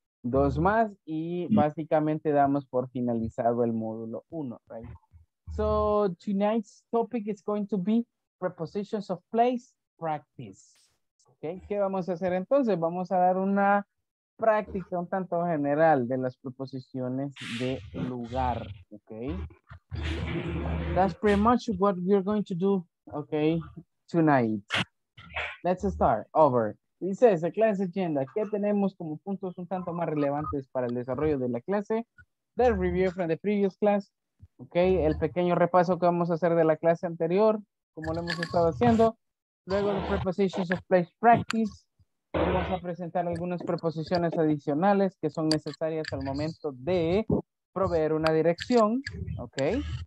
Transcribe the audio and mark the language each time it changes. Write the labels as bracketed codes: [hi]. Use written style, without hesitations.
[es] Dos más y básicamente damos por finalizado el módulo 1, right? [en] So tonight's topic is going to be prepositions of place practice. [es] Okay, ¿qué vamos a hacer entonces? Vamos a dar una práctica un tanto general de las preposiciones de lugar, okay? [en] That's pretty much what we're going to do, okay, tonight. Let's start over. [es] Dice esa clase agenda, ¿qué tenemos como puntos un tanto más relevantes para el desarrollo de la clase? [en] The review from the previous class, [es] okay, el pequeño repaso que vamos a hacer de la clase anterior, como lo hemos estado haciendo. Luego de [en] prepositions of place practice, [es] vamos a presentar algunas preposiciones adicionales que son necesarias al momento de proveer una dirección, ok.